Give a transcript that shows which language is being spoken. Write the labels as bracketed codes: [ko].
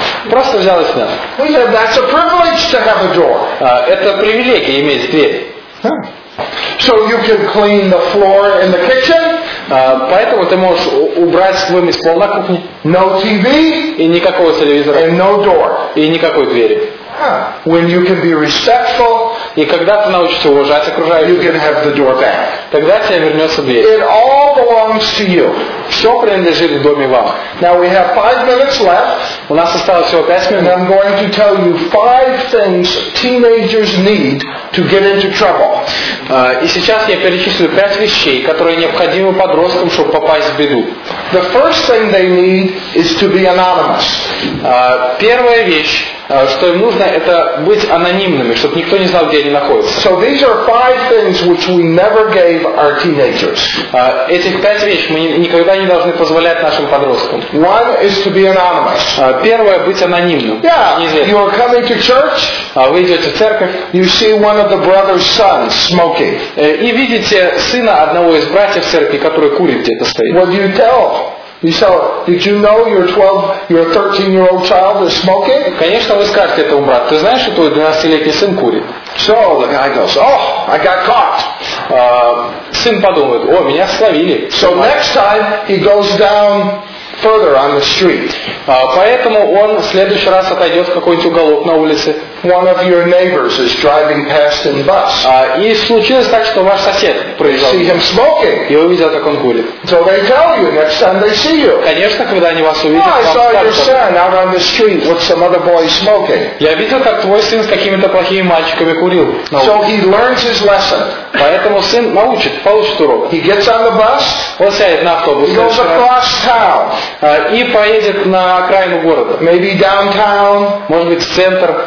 [ru] Просто взял и снял. Это привилегия иметь дверь. [en] So you can clean the floor in the kitchen. [ru] Поэтому ты можешь убрать, вымыть пол на кухне. [en] No TV. [ru] И никакого телевизора. [en] And no door. [ru] И никакой двери. [en] Huh. When you can be respectful. [ru] И когда ты научишься уважать окружающих. [en] You can have the door back. [ru] Тогда тебе вернется дверь. [en] It all belongs to you. [ru] Все принадлежит в доме вам. [en] Now we have 5 minutes left. [ru] У нас осталось всего 5 минут. [en] And I'm going to tell you 5 things teenagers need to get into trouble. [ru] И сейчас я перечислю 5 вещей, которые необходимы подросткам, чтобы попасть в беду. [en] The first thing they need is to be anonymous. [ru] Первая вещь, что им нужно, это быть анонимными, чтобы никто не знал, где они находятся. [en] So these are 5 things which we never gave our teenagers. [ru] Этих 5 вещей мы никогда не должны позволять нашим подросткам. [en] One is to be anonymous. [ru] Первое, быть анонимным. [en] Yeah, you are coming to church. [ru] Вы идете в церковь. [en] You see one of the brother's sons smoking. [ru] И видите сына одного из братьев в церкви, который курит где-то стоит. [en] What do you tell? You say, did you know your 12, your 13-year-old child is smoking? [ru] Конечно, вы скажете этому брату. Ты знаешь, что твой 12-летний сын курит? [en] So the guy goes, oh, I got caught. [ru] Сын подумает, о, меня словили. [en] So next time he goes down further on the street. [ru] Поэтому он в следующий раз отойдет в какой-нибудь уголок на улице. [en] One of your neighbors is driving past in bus. [ru] И случилось так, что ваш сосед проезжал. [en] See him smoking. [ru] И увидел, как он курит. [en] So they tell you next time they see you. [ru] Конечно, когда они вас увидят. [en] I saw your son out on the street with some other boys smoking. [ru] Я видел, как твой сын с какими-то плохими мальчиками курил. [en] So he learns his lesson. [ru] Поэтому сын научит, получит урок. [en] He gets on the bus. [ru] Он сядет на автобус. [en] He goes across town. [ru] И поедет на окраину города. [en] Maybe downtown. [ru] Может быть, в центр.